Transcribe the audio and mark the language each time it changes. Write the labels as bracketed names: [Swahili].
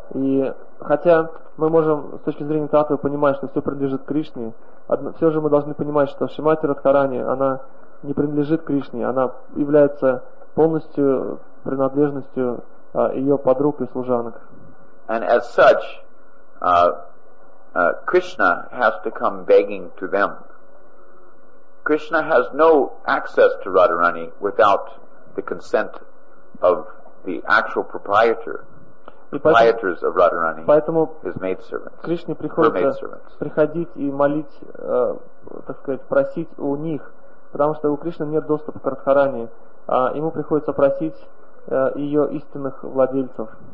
[Russian] И хотя мы можем с точки зрения таттвы понимать, что все принадлежит Кришне, все же мы должны понимать, что Шримати Радхарани, она не принадлежит Кришне, она является полностью принадлежностью ее подруг и служанок. [English] And as such, Krishna has to come begging to them. Krishna has no access to Radharani without the consent of the actual proprietor, proprietors of Radharani, his maidservants, [Russian] Кришне приходится приходить и молить, так сказать, просить у них, потому что у Кришны нет доступа к Радхарани, а ему приходится просить ее истинных владельцев.